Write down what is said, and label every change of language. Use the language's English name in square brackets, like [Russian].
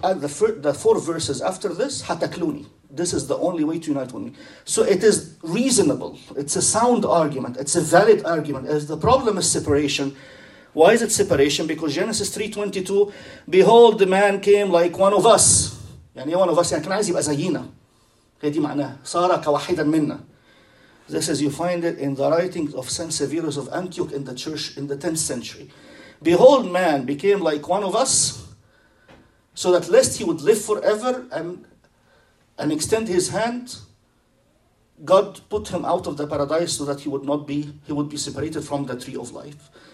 [English] At the four verses after this, hatakluni. This is the only way to unite with me. So it is reasonable. It's a sound argument. It's a valid argument. As the problem is separation. Why is it separation? Because Genesis 3:22, behold, the man came like one of us. [Arabic] يعني [English] one of us, [Arabic] يعني كان عايز يبقى زينا. هذه معناه صار كواحدا منا. [English] This is, you find it in the writings of Saint Severus of Antioch in the church in the 10th century. Behold, man became like one of us, so that lest he would live forever and extend his hand, God put him out of the paradise so that he would be separated from the tree of life.